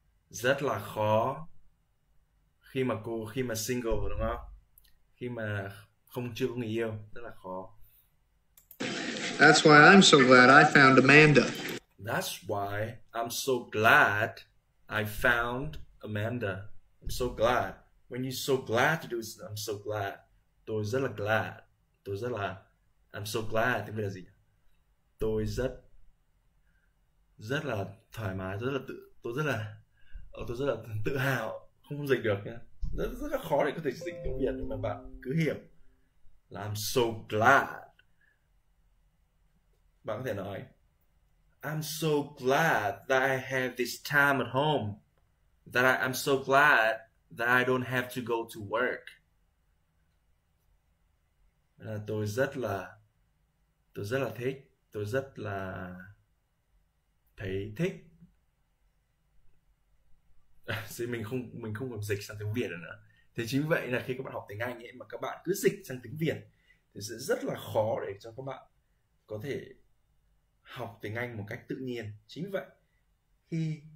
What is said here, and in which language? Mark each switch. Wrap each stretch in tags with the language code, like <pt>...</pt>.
<vi>Rất là khó khi mà cô khi mà single đúng không? Khi mà không chưa có người yêu, rất là khó.</vi> <en>That's why I'm so glad I found Amanda. That's why I'm so glad I found Amanda. I'm so glad. When you're so glad to do this, I'm so glad.</en> <vi>Tôi rất là glad. Tôi rất là...</vi> <en>I'm so glad.</en> <vi>Tiếng Việt là gì? Tôi rất... Rất là thoải mái. Rất là tự... Tôi rất là... Tôi rất là tự hào. Không dịch được nhé. Rất là khó để có thể dịch tiếng Việt. Nhưng mà bạn cứ hiểu. Là</vi> <en>I'm so glad.</en> <vi>Bạn có thể nói.</vi> <en>I'm so glad that I have this time at home. That I'm so glad that I don't have to go to work.</en> <vi>Tôi rất là thích, tôi rất là thấy thích. Thì mình không còn dịch sang tiếng Việt nữa. Thế chính vậy là khi các bạn học tiếng Anh ấy mà các bạn cứ dịch sang tiếng Việt thì sẽ rất là khó để cho các bạn có thể học tiếng Anh một cách tự nhiên. Chính vậy khi</vi>